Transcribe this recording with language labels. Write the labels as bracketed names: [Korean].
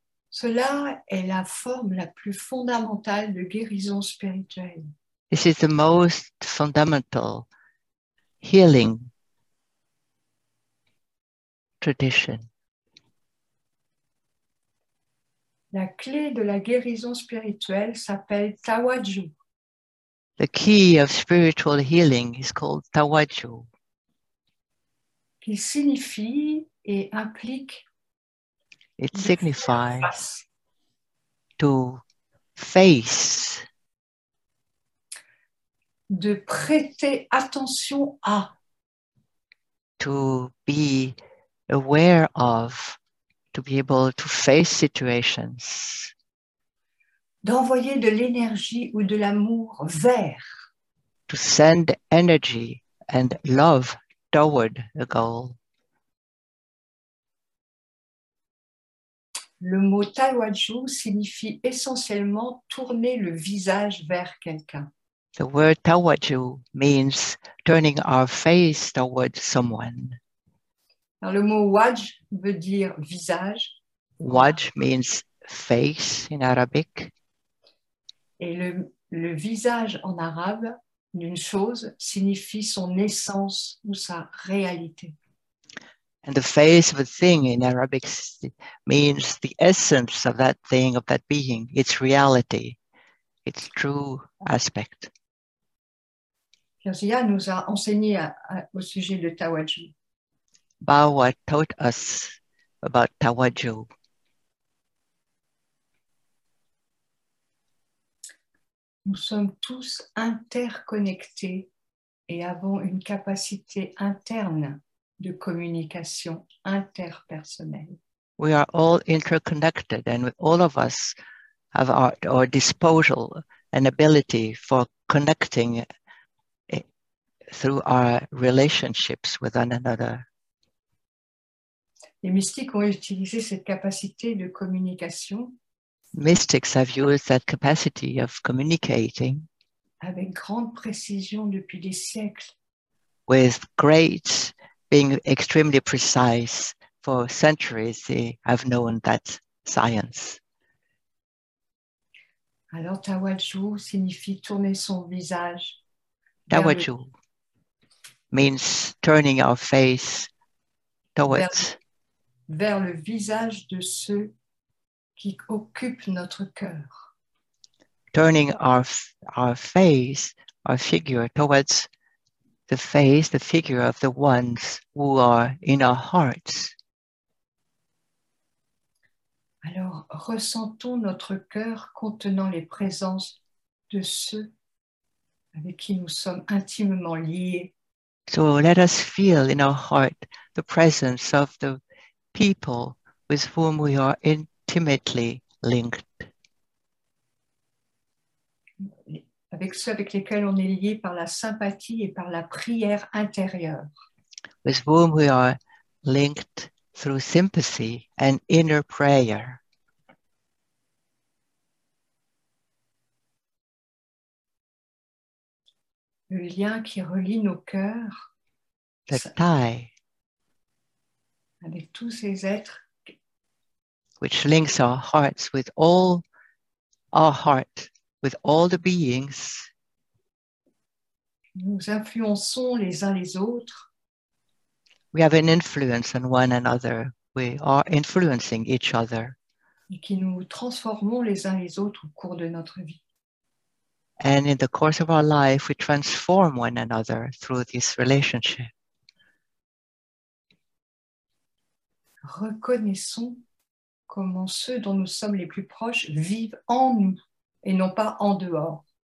[French] Cela est la forme la plus fondamentale de guérison spirituelle. [English] This is the most fundamental healing tradition. [French] La clé de la guérison spirituelle s'appelle Tawaju. [English] The key of spiritual healing is called Tawaju. [French] Qui signifie et implique [English] It signifies to face, [French] de prêter attention à, [English] to be aware of, to be able to face situations, [French] d'envoyer de l'énergie ou de l'amour vers, [English] to send energy and love toward a goal. [French] Le mot Tawaju signifie essentiellement tourner le visage vers quelqu'un. [English] The word Tawaju means turning our face towards someone. [French] Alors, le mot Waj veut dire visage. [English] Waj means face in Arabic. [French] Et le visage en arabe d'une chose signifie son essence ou sa réalité. [English] And the face of a thing in Arabic means the essence of that thing, of that being, its reality, its true aspect. [French] Kirzia nous a enseigné au sujet de Tawaju. [English] Bawa taught us about Tawaju. [French] Nous sommes tous interconnectés et avons une capacité interne de communication interpersonnelle. [English] We are all interconnected and all of us have at our disposal an ability for connecting through our relationships with one another. [French] Les mystiques ont utilisé cette capacité de communication. [English] Mystics have used that capacity of communicating [French] avec grande précision depuis des siècles. [English] With great, being extremely precise for centuries, they have known that science. [French] Alors Tawaju signifie tourner son visage. [English] Tawaju means turning our face towards [French] vers le visage de ceux qui occupe notre cœur. [English] Turning our face, our figure, towards the face, the figure of the ones who are in our hearts. [French] Alors, ressentons notre cœur contenant les présences de ceux avec qui nous sommes intimement liés. [English] So let us feel in our heart the presence of the people with whom we are in intimately linked. [French] Avec ceux avec lesquels on est lié par la sympathie et par la prière intérieure. [English] With whom we are linked through sympathy and inner prayer. [French] Le lien qui relie nos cœurs. [English] The tie. [French] Avec tous ces êtres. [English] Which links our hearts with all our heart, with all the beings. [French] Nous influençons les uns les autres. [English] We have an influence on one another. We are influencing each other. [French] Et qui nous transformons les uns les autres au cours de notre vie. [English] And in the course of our life, we transform one another through this relationship. [French] Reconnaissons comment ceux dont nous sommes les plus proches vivent en nous et non pas en dehors